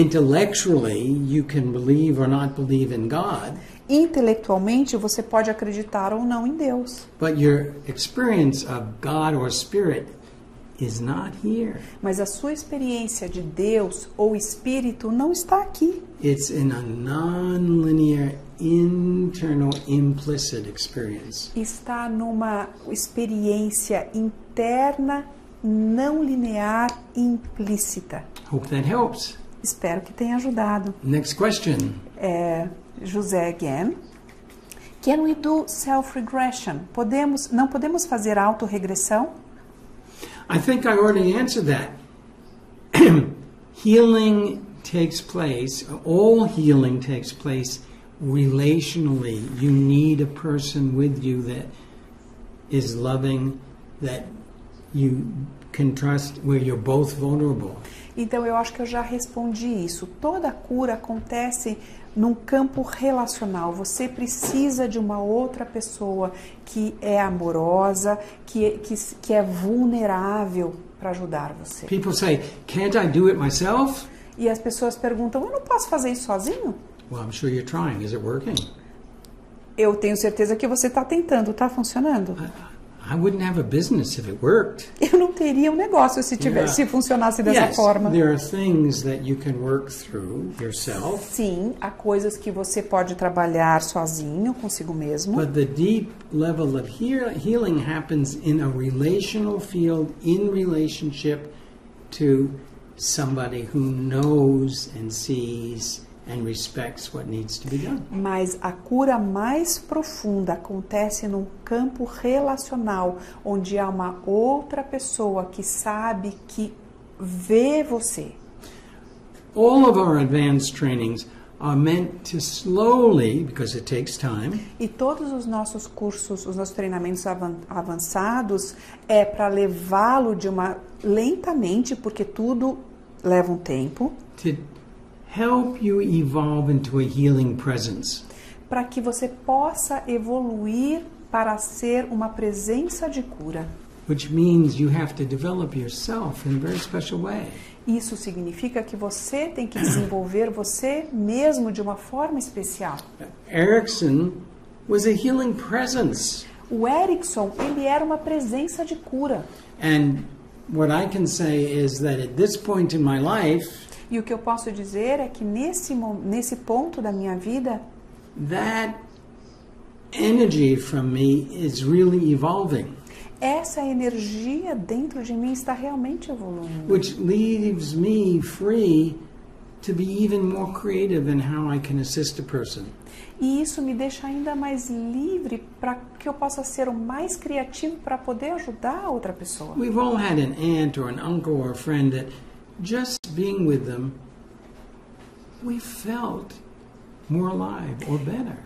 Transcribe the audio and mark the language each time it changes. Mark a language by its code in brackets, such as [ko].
[en] Intellectually, you can believe or not believe in God. [pt] Intelectualmente, você pode acreditar ou não em Deus. [en] But your experience of God or Spirit is not here. [pt] Mas a sua experiência de Deus ou Espírito não está aqui. [en] It's in a non-linear, internal, implicit experience. [pt] Está numa experiência interna, não linear, implícita. [en] Hope that helps. [pt] Espero que tenha ajudado. [en] Next question. José again. Can we do self-regression? [pt] Não podemos fazer autorregressão? [en] I think I already answered that. Healing takes place, all healing takes place relationally. You need a person with you that is loving, that you can trust, where you're both vulnerable. [pt] Então eu acho que eu já respondi isso. Toda cura acontece num campo relacional. Você precisa de uma outra pessoa que é amorosa, que é vulnerável para ajudar você. [en] People say, can't I do it myself? [pt] E as pessoas perguntam, eu não posso fazer isso sozinho? [en] Well, I'm sure you're trying. Is it working? [pt] Eu tenho certeza que você está tentando. Está funcionando? [en] I wouldn't have a business if it worked. [pt] Eu não teria um negócio se tivesse, se funcionasse dessa forma. [en] There are things that you can work through yourself. [pt] Sim, há coisas que você pode trabalhar sozinho, consigo mesmo. [en] But the deep level of healing happens in a relational field, in relationship to somebody who knows and sees and respects what needs to be done. [pt] Mas a cura mais profunda acontece num campo relacional, onde há uma outra pessoa que sabe, que vê você. [en] All of our advanced trainings are meant to slowly, because it takes time. [pt] E todos os nossos cursos, os nossos treinamentos avançados, é para levá-lo de uma lentamente, porque tudo leva um tempo. [en] Help you evolve into a healing presence. [pt] Para que você possa evoluir para ser uma presença de cura. [en] Which means you have to develop yourself in a very special way. [pt] Isso significa que você tem que desenvolver você mesmo de uma forma especial. [en] Erickson was a healing presence. [pt] O Erickson, ele era uma presença de cura. [en] And what I can say is that at this point in my life, [pt] e o que eu posso dizer é que nesse ponto da minha vida, [en] that energy from me is really evolving. [pt] Essa energia dentro de mim está realmente evoluindo. [en] Which leaves me free to be even more creative in how I can assist a person. [pt] E isso me deixa ainda mais livre para que eu possa ser o mais criativo para poder ajudar a outra pessoa. [en] We've all had an aunt or an uncle or a friend that just being with them, we felt more alive or better.